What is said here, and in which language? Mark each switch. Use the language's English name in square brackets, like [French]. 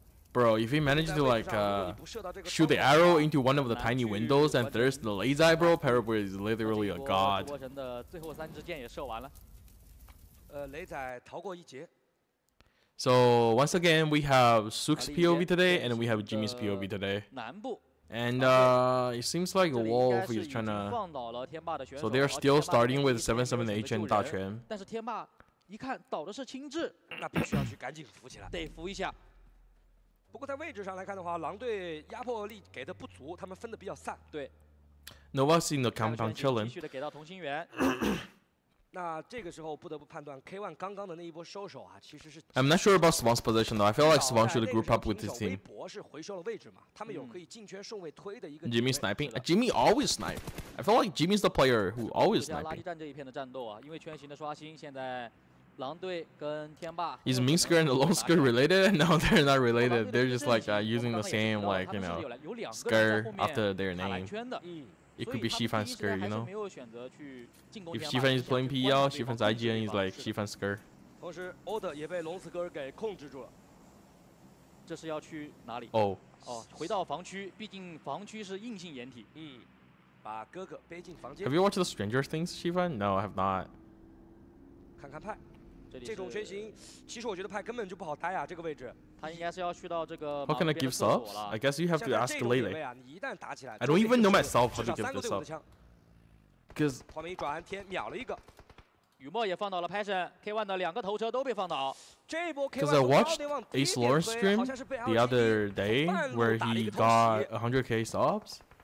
[English] Bro, if he manages to like shoot the arrow into one of the tiny windows and there's the laser, bro, Paraboy is literally a god. [Chinese] 朱伯辰的最后三支箭也射完了。雷仔逃过一劫。 [English] So once again, we have Sook's POV today, and we have Jimmy's POV today. [Chinese] 南部。 [English] And it seems like Wolf is trying to. So they are still starting with 77H and 大全。 [Chinese] 但是天霸。一看倒的是青雉，那必须要去赶紧扶起来，得扶一下。不过在位置上来看的话，狼队压迫力给的不足，他们分的比较散。对 [English] ，Nova's in the compound chilling。 [Chinese] 继续的给到同心圆。那这个时候不得不判断 K1 刚刚的那一波收手啊，其实是。 [English] I'm not sure about Swan's position though. I feel like Swan should group up with his team. [Chinese] 微博是回收了位置嘛，他们有可以进圈顺位推的一个。 [English] Jimmy sniping. Jimmy always snipe. I feel like Jimmy's the player who always snipe. [Chinese] 垃圾站这一片的战斗啊，因为圈型的刷新，现在。狼队跟天霸 [English] is Minsker and Longsker related? No, they're not related. They're just like using the same like you know Skr after their name. It could be Xifan Skr, you know. If Xifan is playing PL, Xifan's IGN is like Xifan Skr. [Chinese] 同时 ，Order 也被龙斯哥给控制住了。这是要去哪里？哦，回到防区，毕竟防区是硬性掩体。嗯，把哥哥背进房间。 [English] Have you watched The Stranger Things, Xifan? No, I have not. [Chinese] 看看派。这种圈型，其实我觉得派根本就不好待啊，这个位置。他应该是要去到这个。 [English] How can I give subs? I guess you have to ask Lele. [Chinese] 像这种队啊，你一旦打起来 [English] ，I don't even know myself how to give the sub. Because [Chinese] 画面一转，天秒了一个。雨墨也放倒了 Passion K1 的两个头车都被放倒。这波 K1 [English] Because I watched Ace Lawrence stream the other day where he got 100k subs.